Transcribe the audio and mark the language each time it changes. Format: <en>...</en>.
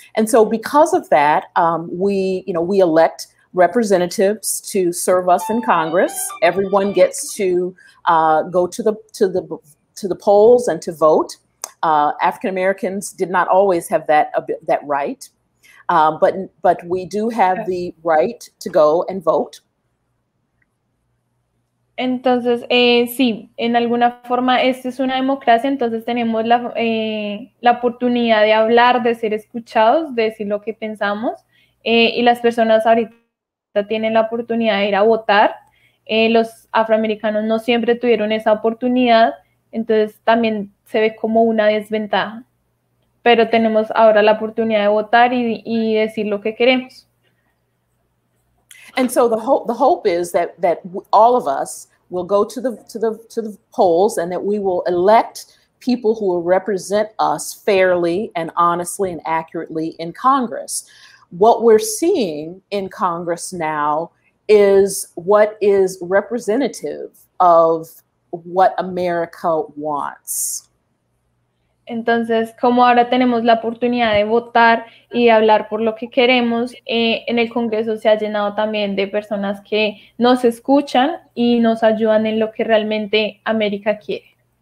<en>And so, because of that, we elect representatives to serve us in Congress. Everyone gets to go to the polls and to vote. African Americans did not always have that right. But we do have the right to go and vote.</en> <es>Entonces, sí, en alguna forma esta es una democracia, entonces tenemos la oportunidad de hablar, de ser escuchados, de decir lo que pensamos, y las personas ahorita tienen la oportunidad de ir a votar. Los afroamericanos no siempre tuvieron esa oportunidad, entonces también se ve como una desventaja. Pero tenemos ahora la oportunidad de votar y decir lo que queremos.</es> <en>And so the hope is that all of us will go to the polls and that we will elect people who will represent us fairly and honestly and accurately in Congress. What we're seeing in Congress now is what is representative of what America wants.</en> <es>Entonces, como ahora tenemos la oportunidad de votar y hablar por lo que queremos, en el Congreso se ha llenado también de personas que nos escuchan y nos ayudan en lo que realmente América quiere.</es>